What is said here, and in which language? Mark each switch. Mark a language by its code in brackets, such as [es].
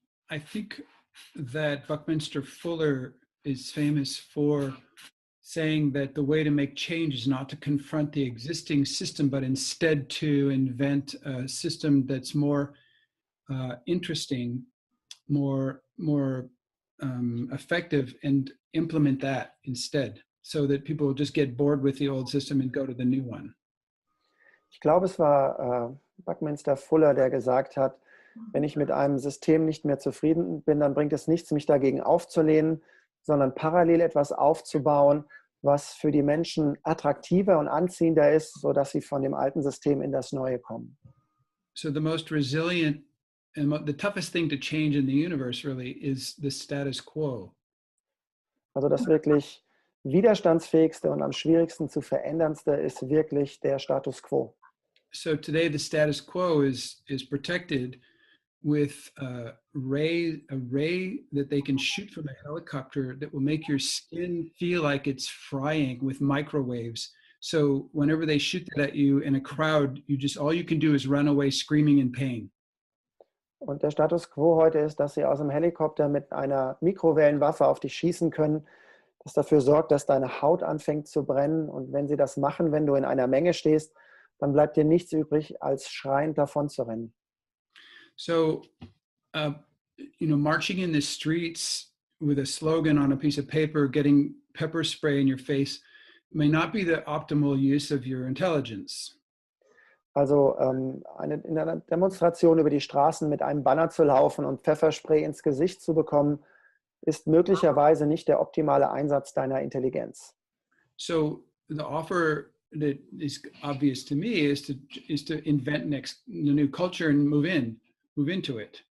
[en] I think that Buckminster Fuller is famous for saying that the way to make change is not to confront the existing system, but instead to invent a system that's more interesting, more effective, and implement that instead, so that people just get bored with the old system and go to the new one. [de] Ich glaube, es war Buckminster Fuller, der gesagt hat, wenn ich mit einem System nicht mehr zufrieden bin, dann bringt es nichts, mich dagegen aufzulehnen, sondern parallel etwas aufzubauen, was für die Menschen attraktiver und anziehender ist, sodass sie von dem alten System in das neue kommen. [en] So the most resilient and the toughest thing to change in the universe really is the status quo. [de] Also das wirklich widerstandsfähigste und am schwierigsten zu veränderndste ist wirklich der Status quo. [en] So today the status quo is protected with a ray that they can shoot from a helicopter that will make your skin feel like it's frying with microwaves. So whenever they shoot that at you in a crowd, you just, all you can do is run away screaming in pain. [de] Und der Status quo heute ist, dass sie aus dem Helikopter mit einer Mikrowellenwaffe auf dich schießen können, das dafür sorgt, dass deine Haut anfängt zu brennen. Und wenn sie das machen, wenn du in einer Menge stehst, dann bleibt dir nichts übrig, als schreiend davon zu rennen. [en] So, marching in the streets with a slogan on a piece of paper, getting pepper spray in your face, may not be the optimal use of your intelligence. [de] Also eine, in einer Demonstration über die Straßen mit einem Banner zu laufen und Pfefferspray ins Gesicht zu bekommen, ist möglicherweise nicht der optimale Einsatz deiner Intelligenz. [en] So the offer that is obvious to me is to invent the new culture and move into it.